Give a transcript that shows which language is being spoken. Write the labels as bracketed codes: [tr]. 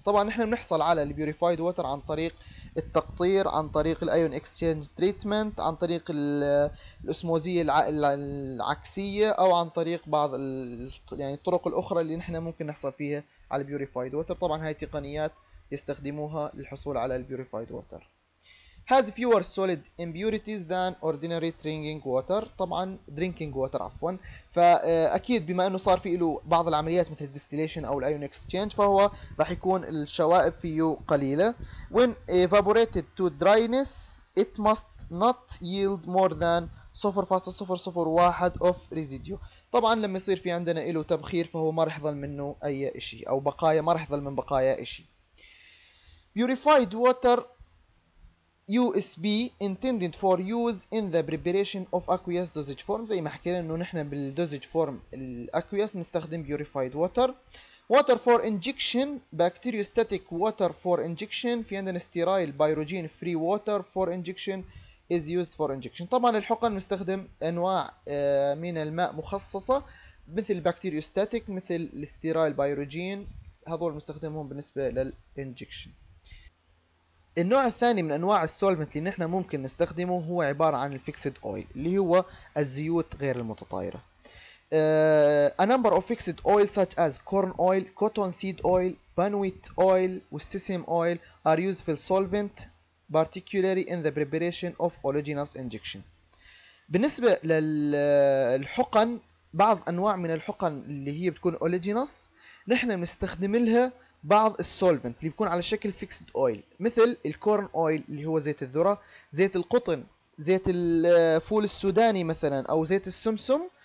[ar] طبعا نحن بنحصل على البيوريفايد ووتر عن طريق التقطير، عن طريق الايون اكستشينج تريتمنت، عن طريق الاسموزيه العكسيه، او عن طريق بعض يعني الطرق الاخرى اللي نحن ممكن نحصل فيها على البيوريفايد ووتر. طبعا هاي تقنيات يستخدموها للحصول على البيوريفايد ووتر. [en] has fewer solid impurities than ordinary drinking water. [ar] طبعا drinking water عفوا، فاكيد بما انه صار في له بعض العمليات مثل distillation او الايون اكستشينج فهو راح يكون الشوائب فيه قليله. [en] when evaporated to dryness it must not yield more than 0.001 of residue. [ar] طبعا لما يصير في عندنا له تبخير فهو ما راح يظل منه اي شيء، او بقايا ما راح يظل من بقايا شيء. [en] purified water USB intended for use in the preparation of aqueous dosage form. [ar] زي ما حكينا انه نحن بالدوزج فورم الاكويس نستخدم purified water. [en] water for injection bacteriostatic water for injection. [ar] في عندنا [en] sterile pyrogen free water for injection is used for injection. [ar] طبعا الحقن نستخدم انواع من الماء مخصصة مثل bacteriostatic مثل sterile pyrogen، هذول نستخدمهم بالنسبة للانجكشن. النوع الثاني من انواع السولفنت اللي نحن ممكن نستخدمه هو عبارة عن الفيكسد اويل اللي هو الزيوت غير المتطايرة. [en] A number of fixed oils such as corn oil, cotton seed oil, bunwheat oil, والسيسم oil are useful solvent particularly in the preparation of oleaginous injection. [ar] بالنسبة للحقن بعض انواع من الحقن اللي هي بتكون oleaginous نحن بنستخدم لها بعض السولفنت اللي بيكون على شكل فيكسد اويل مثل الكورن اويل اللي هو زيت الذرة، زيت القطن، زيت الفول السوداني مثلا، او زيت السمسم.